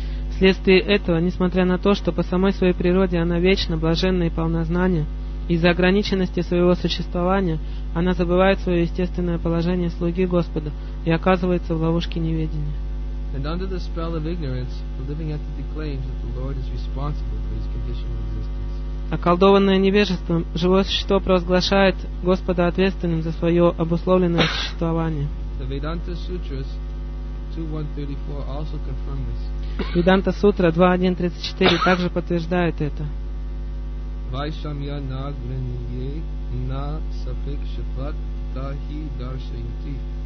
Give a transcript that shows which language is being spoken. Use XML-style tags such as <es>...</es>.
<ru>Вследствие этого, несмотря на то, что по самой своей природе она вечна, блаженна и полна знания, из-за ограниченности своего существования она забывает свое естественное положение слуги Господа и оказывается в ловушке неведения.</ru> <en>And under the spell of ignorance, the living entity claims that the Lord is responsible for his conditional existence.</en> <ru>Околдованное невежеством, живое существо провозглашает Господа ответственным за свое обусловленное существование.</ru> <en>The Vedanta Sutras 2.1.34 also confirm this.</en> <ru>Vedanta Sutra 2.1.34 также подтверждает это.</ru> <sa>Vaishamya na grinye na sapekshapat tahi darshayati.</sa>